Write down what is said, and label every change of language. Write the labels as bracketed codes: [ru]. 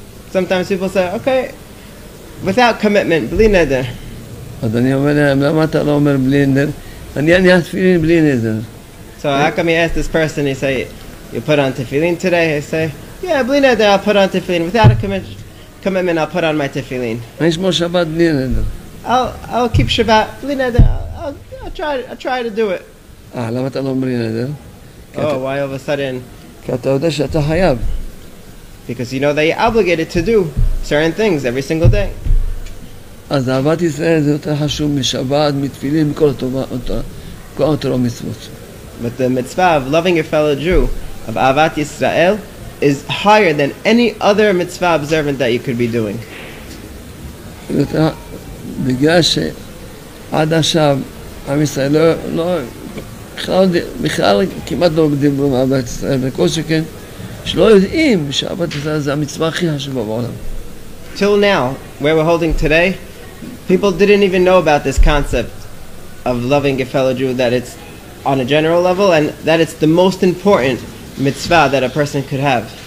[en] sometimes people say, okay, without commitment, bli neder. [he] אז אני אומר להם, למה אתה לא אומר בלי נדר? אני תפילין בלי נדר. [en] So how come you ask this person, you say, you put on tefillin today? He say, yeah, [he] בלי נדר, [en] I'll put on tefillin. Without a commitment, I'll put on my tefillin. [he] אני אשמור שבת בלי נדר. [en] I'll keep Shabbat, [he] בלי נדר. [en] I'll try to do it. [he] אה, למה אתה לא אומר בלי נדר? [en] Oh, why all of a sudden? [he] כי אתה יודע שאתה חייב. [en] Because you know that you're obligated to do certain things every single day. [he] אז אהבת ישראל זה יותר חשוב משבת, מתפילים, מכל התורה, כל התורה מצוות. [en] But the mitzvah of loving your fellow Jew, of אהבת ישראל, is higher than any other mitzvah observant that you could be doing. [he] בגלל שעד עכשיו עם ישראל לא, בכלל כמעט לא דיברו עם אהבת ישראל, וכל שכן, שלא יודעים שאהבת ישראל זה המצווה הכי חשובה בעולם. [en] Till now, where we're holding today, people didn't even know about this concept of loving a fellow Jew, that it's on a general level and that it's the most important mitzvah that a person could have.